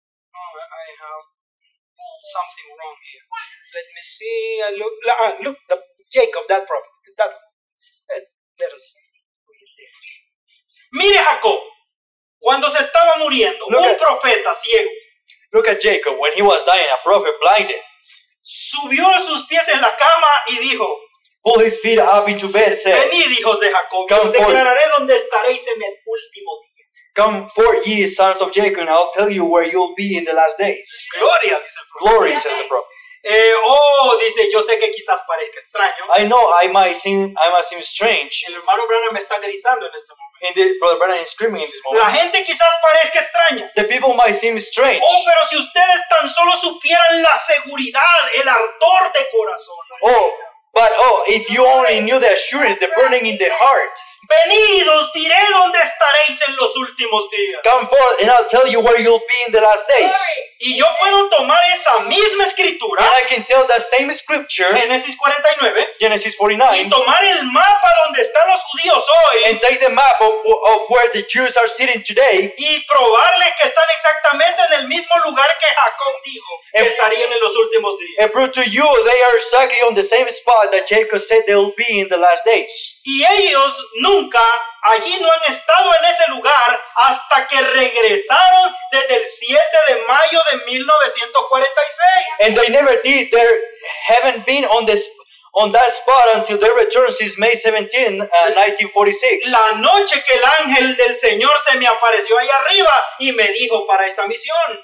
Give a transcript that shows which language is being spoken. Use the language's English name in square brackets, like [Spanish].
[English] Something wrong here. Let me see. Look, the Jacob, that prophet. Let us see. [Spanish] Mire Jacob, cuando se estaba muriendo, un profeta ciego. [English] Look at Jacob when he was dying, a prophet blinded. [Spanish] Subió sus pies en la cama y dijo. [English] Pull his feet up into bed, said. [Spanish] Venid, hijos de Jacob, os declararé dónde estaréis en el último día. [English] Come for ye, sons of Jacob, and I'll tell you where you'll be in the last days. [Spanish] Gloria, dice el profeta. [English] Glory, says the prophet. [Spanish] Dice, yo sé que quizás parezca extraño. [English] I know, I might seem strange. [Spanish] El hermano Branham está gritando en este momento. [English] And Brother Branham is screaming in this moment. [Spanish] La gente quizás parezca extraña. [English] The people might seem strange. [Spanish] Oh, pero si ustedes tan solo supieran la seguridad, el ardor de corazón. Oh, [English] But oh, if you only knew the assurance, the burning in the heart. [Spanish] Venid, os diré dónde estaréis en los últimos días. [English] Come forth, and I'll tell you where you'll be in the last days. [Spanish] Y yo puedo tomar esa misma escritura. [English] And I can tell that same scripture. [Spanish] Genesis 49. Y tomar el mapa donde están los judíos hoy. [English] And take the map of where the Jews are sitting today. [Spanish] Y probarle que están exactamente en el mismo lugar que Jacob dijo que estarían en los últimos días. [English] And prove to you they are exactly on the same spot that Jacob said they'll be in the last days. [Spanish] Y ellos nunca allí no han estado en ese lugar hasta que regresaron desde el 7 de mayo de 1946. [English] And they never did. They haven't been on that spot until their return since May 17, 1946. [Spanish] La noche que el ángel del Señor se me apareció ahí arriba y me dijo para esta misión.